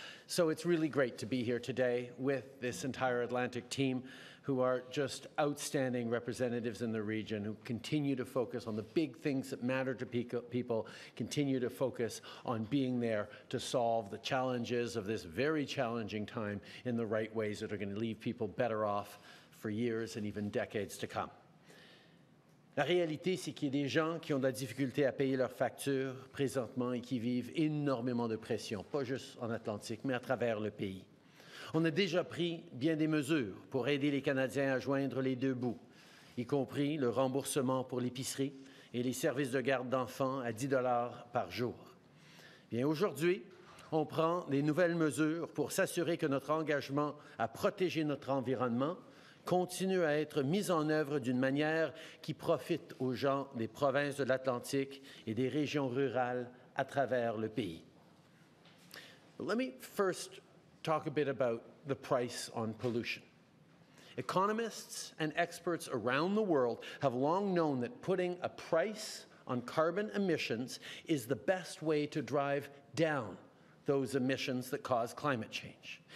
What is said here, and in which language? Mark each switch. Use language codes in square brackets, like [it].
[en] So it's really great to be here today with this entire Atlantic team, who are just outstanding representatives in the region, who continue to focus on the big things that matter to people, continue to focus on being there to solve the challenges of this very challenging time in the right ways that are going to leave people better off for years and even decades to come. [fr] La réalité, c'est qu'il y a des gens qui ont de la difficulté à payer leurs factures présentement et qui vivent énormément de pression, pas juste en Atlantique, mais à travers le pays. On a déjà pris bien des mesures pour aider les Canadiens à joindre les deux bouts, y compris le remboursement pour l'épicerie et les services de garde d'enfants à 10 $ par jour. Bien aujourd'hui, on prend des nouvelles mesures pour s'assurer que notre engagement à protéger notre environnement continue à être mis en œuvre d'une manière qui profite aux gens des provinces de l'Atlantique et des régions rurales à travers le pays. [en] Let me first talk a bit about the price on pollution. Economists and experts around the world have long known that putting a price on carbon emissions is the best way to drive down those emissions that cause climate change.